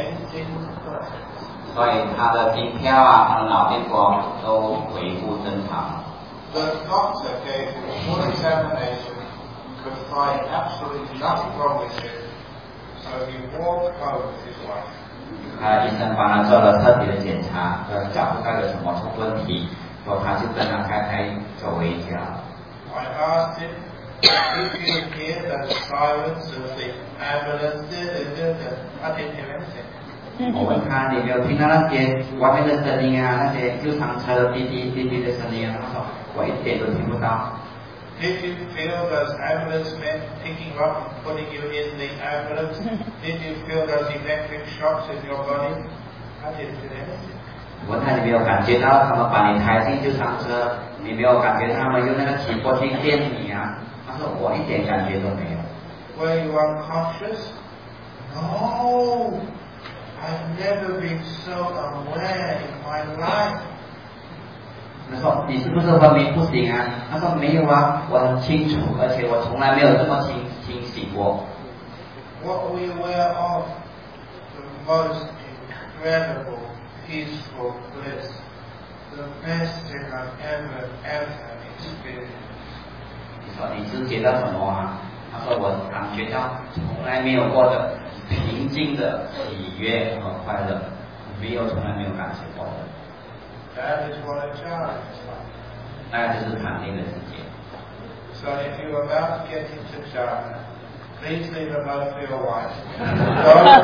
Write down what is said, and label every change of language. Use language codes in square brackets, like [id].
[zh] 所以他的心跳啊，他的脑电波都恢复正常。 [en] The doctor gave a full examination, could find absolutely nothing wrong with him. [zh] 医生帮他做了特别的检查，找不到有什么问题，说他就跟他太太走回家。 [en] I asked him, "Did you hear the sirens of the ambulance?" He didn't hear anything. [zh] 我问他你没有听到那些外面的声音啊，那些救伤车滴滴滴滴的声音啊？他说我一点都听不到。 [en] Did you feel those ambulance men picking up and putting you in the ambulance? Did you feel those electric shocks in your body? I didn't feel anything. [zh] 我看你没有感觉到他们把你抬进救伤车，你没有感觉他们用那个起搏器电你啊？他说我一点感觉都没有。 [en] Were you unconscious? No, I've never been so aware in my life. [zh] 他说：“你是不是昏迷不醒啊？” 他说：“没有啊，我很清楚，而且我从来没有这么清醒过。” [en] What were you aware of? The most incredible, peaceful bliss, the best thing I've ever experienced. [zh] 你说你是觉得什么啊？他说：“我感觉到从来没有过的平静的喜悦和快乐，没有从来没有感觉过的。” [en] That is what a challenge. [zh] 那就是禅定的境界。 [en] So if you're about to get into jhana, please leave a note for your wife.